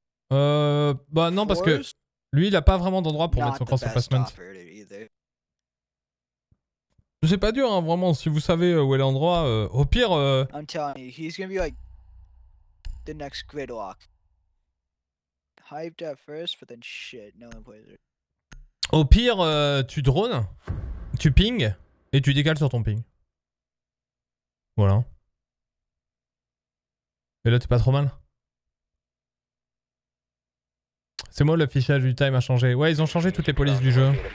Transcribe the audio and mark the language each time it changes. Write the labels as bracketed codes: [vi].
[fr] Bah non, parce que lui, il a pas vraiment d'endroit pour mettre son cross placement. C'est pas dur, hein, vraiment, si vous savez où est l'endroit. Au pire... [en] I'm telling you, he's gonna be like the next gridlock. Hyped at first, but then shit, no one plays it. [fr] Au pire, tu drones, tu ping et tu décales sur ton ping. Voilà. Et là, t'es pas trop mal. C'est moi, l'affichage du time a changé. Ouais, ils ont changé toutes les polices du jeu.